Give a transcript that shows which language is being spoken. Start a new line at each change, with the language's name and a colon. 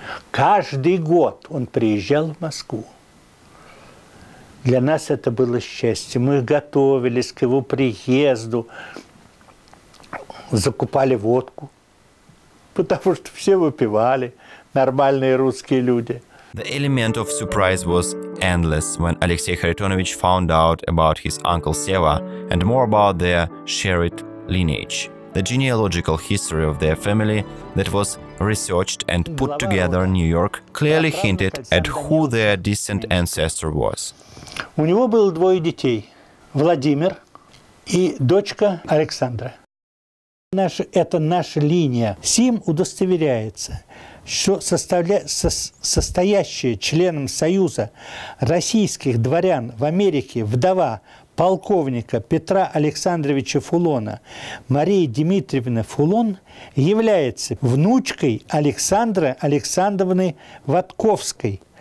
Russian: Каждый год он приезжал в Москву. Для нас это было счастье. Мы готовились к его приезду, закупали водку, потому что все выпивали, нормальные русские люди.
English: The element of surprise was endless when Alexey Харитонович found out about his uncle Seva and more about their shared lineage. The genealogical history of their family that was researched and put together in New York clearly hinted at who their distant ancestor was.
Russian: У него было двое детей, Владимир и дочка Александра. Это наша линия. Сим удостоверяется, что состоящая членом Союза российских дворян в Америке вдова полковника Петра Александровича Фулона Мария Дмитриевна Фулон является внучкой Александры Александровны Ватковской,